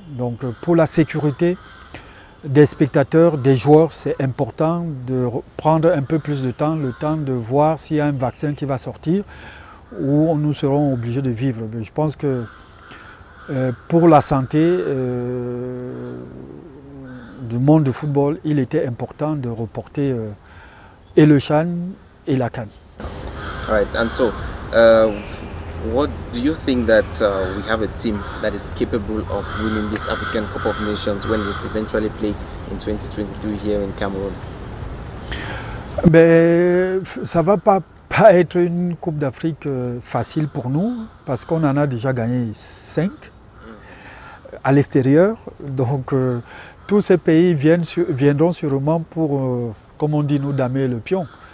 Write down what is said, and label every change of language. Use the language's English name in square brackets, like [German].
[French] Donc, pour la sécurité des spectateurs, des joueurs, c'est important de prendre un peu plus de temps, le temps de voir s'il y a un vaccin qui va sortir ou nous serons obligés de vivre. Mais je pense que pour la santé du monde du football, il était important de reporter et le CHAN et la CAN. [English] All right, and so, what do you think that we have a team that is capable of winning this African Cup of Nations when it's eventually played in 2023 here in Cameroon? [French] Mais ça va pas être une Coupe d'Afrique facile pour nous parce qu'on en a déjà gagné 5 à l'extérieur. Donc tous ces pays viendront sûrement pour, comme on dit nous, damer le pion.